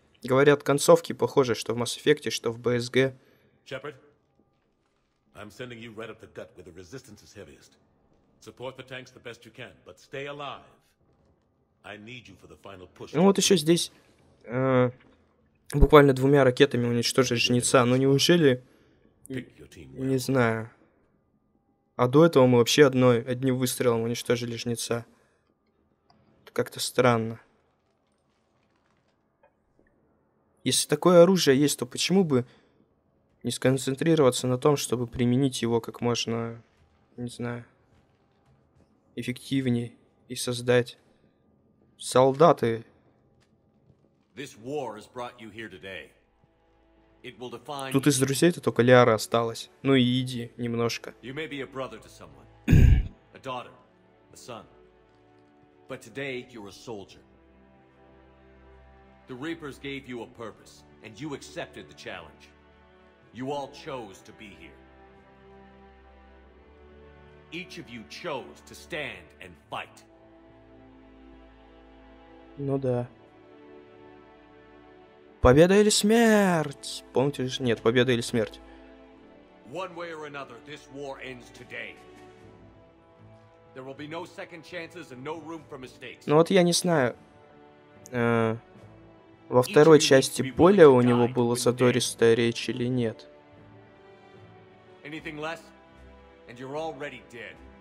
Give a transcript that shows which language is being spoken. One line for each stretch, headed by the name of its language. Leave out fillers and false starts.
Russian: Говорят, концовки похожи, что в Mass Effect, что в БСГ.
English: Shepard, I'm sending you right up the gut where the resistance is heaviest. Support the tanks the best you can, but stay alive. I need you for the final push.
Russian: Ну вот еще здесь буквально двумя ракетами уничтожить жнеца. Ну неужели, не знаю. А до этого мы вообще одним выстрелом уничтожили жнеца. Это как-то странно. Если такое оружие есть, то почему бы не сконцентрироваться на том, чтобы применить его как можно, не знаю, эффективней и создать солдаты.
English: This war has brought you here today. It will define...
Russian: Тут из друзей-то только Лиара осталась. Ну и иди немножко.
English: You may be a brother to someone, a daughter, a son. But today you're a soldier. The Reapers gave you a purpose, and you accepted the challenge. You all chose to be here. Each of you chose to stand and fight.
Russian: Ну да. Победа или смерть? Помните же, нет, победа или смерть.
English: One way or another, this war ends today. There will be no second chances and no room for mistakes.
Russian: Ну вот я не знаю. Во второй части более у него была задористая речь или нет?
English: Anything less? And you're already dead.